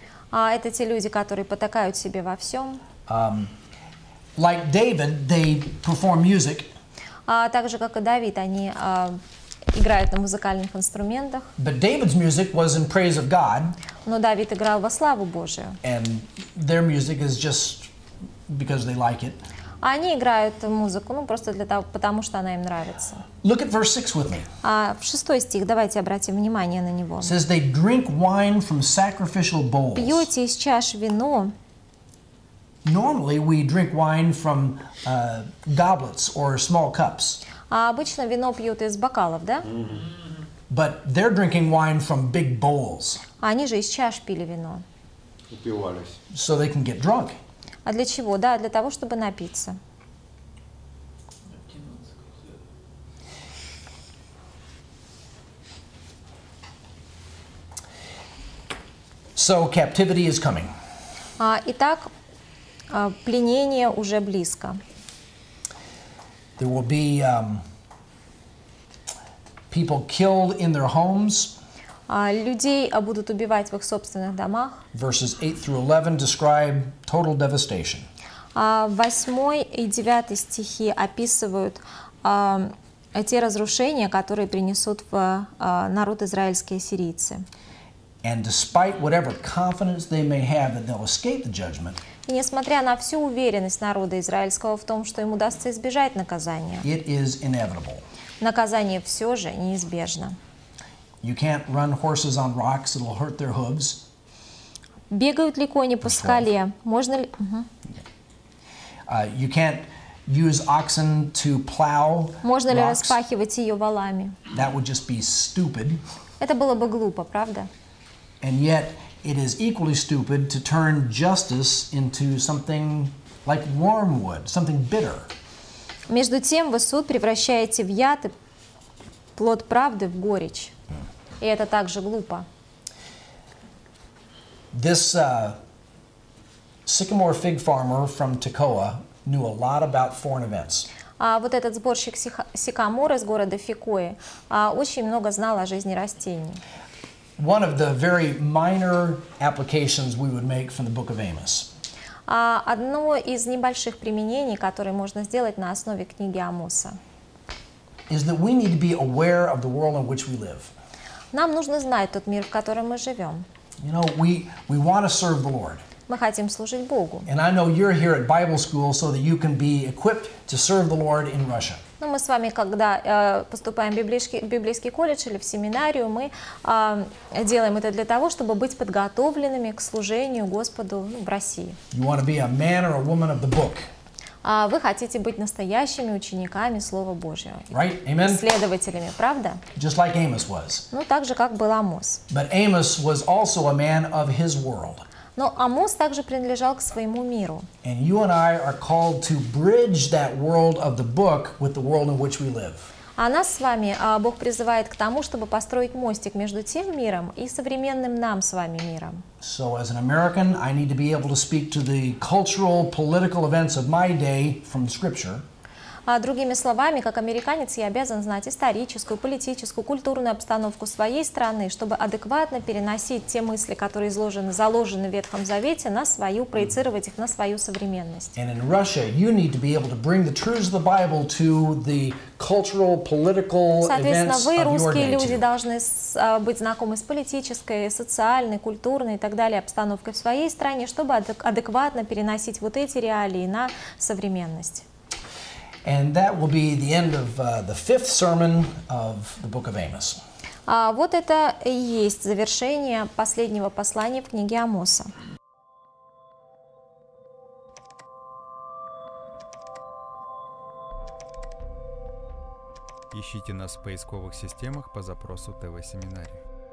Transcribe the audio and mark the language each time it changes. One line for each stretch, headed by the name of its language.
Russian: Это те люди, которые потакают себе во всем.
English: Like David, they perform music.
Russian: Так же, как и Давид, они играют на музыкальных инструментах.
English: But David's music was in praise of God.
Russian: Но Давид играл во славу Божию.
English: And their music is just because they like it.
Russian: Они играют музыку, ну просто для того, потому что она им нравится.
English: Look at verse 6 with me.
Russian: В шестой стих давайте обратим внимание на него.
English: Says they drink wine from sacrificial bowls.
Russian: Пьете из чаш вино.
English: Normally we drink wine from goblets or small cups.
Russian: А обычно вино пьют из бокалов, да? Mm-hmm.
English: But they're drinking wine from big bowls.
Russian: Они же из чаш пили вино. Упивались.
English: So they can get drunk.
Russian: А для чего? Да, для того, чтобы напиться.
English: So captivity is coming.
Russian: Итак, пленение уже близко.
English: There will be people killed in their homes.
Russian: Людей будут убивать в их собственных домах.
English: Verses 8 through 11 describe total devastation.
Russian: 8 и 9 стихи описывают те разрушения, которые принесут в народ израильские сирийцы.
English: And despite whatever confidence they may have that they'll escape the judgment,
Russian: и несмотря на всю уверенность народа израильского в том, что им удастся избежать наказания,
English: it is inevitable.
Russian: Наказание все же неизбежно.
English: You can't run horses on rocks, it'll hurt their hooves.
Russian: Бегают ли кони по скале? Можно ли?
English: You can't use oxen to plow.
Russian: Можно ли
English: rocks?
Russian: Распахивать ее валами?
English: That would just be stupid.
Russian: Это было бы глупо, правда?
English: And yet it is equally stupid to turn justice into something like wormwood, something bitter.
Russian: Между тем вы суд превращаете в яд плод правды в горечь. И это также глупо.
English: This sycamore fig farmer from Tekoa knew a lot about foreign events.
Russian: Вот этот сборщик сикамор из города Фикуэ очень много знал о жизни растений.
English: One of the very minor applications we would make from the Book of Amos.
Russian: Одно из небольших применений, которые можно сделать на основе книги Амоса.
English: Is that we need to be aware of the world in which we live.
Russian: Нам нужно знать тот мир, в котором мы живем.
English: You know, we want to serve the Lord.
Russian: Мы хотим служить Богу.
English: And I know you're here at Bible school so that you can be equipped to serve the Lord in Russia.
Russian: Ну, мы с вами, когда поступаем в библейский колледж или в семинарию, мы делаем это для того, чтобы быть подготовленными к служению Господу в России.
English: You want to be a man or a woman of the book.
Russian: Вы хотите быть настоящими учениками Слова Божьего.
English: Right? Amen?
Russian: Исследователями, правда?
English: Just like Amos was.
Russian: Ну, так же, как был Амос.
English: But Amos was also a man of his world.
Russian: Но Амос также принадлежал к своему миру.
English: And you and I are called to bridge that world of the book with the world in which we live.
Russian: А нас с вами Бог призывает к тому, чтобы построить мостик между тем миром и современным нам с вами миром.
English: So as an American, I need to be able to speak to the cultural, political events of my day from Scripture.
Russian: Другими словами, как американец, я обязан знать историческую, политическую, культурную обстановку своей страны, чтобы адекватно переносить те мысли, которые заложены в Ветхом Завете, на свою, проецировать их на свою современность.
English: And in Russia, you need to be able to bring the truths of the Bible to the cultural, political events of your day.
Russian: Соответственно, вы, русские люди, должны быть знакомы с политической, социальной, культурной и так далее обстановкой в своей стране, чтобы адекватно переносить вот эти реалии на современность.
English: And that will be the end of the fifth sermon of the book of Amos.
Russian: Вот это и есть завершение последнего послания в книге Амоса. Ищите нас в поисковых системах по запросу ТВ-семинария.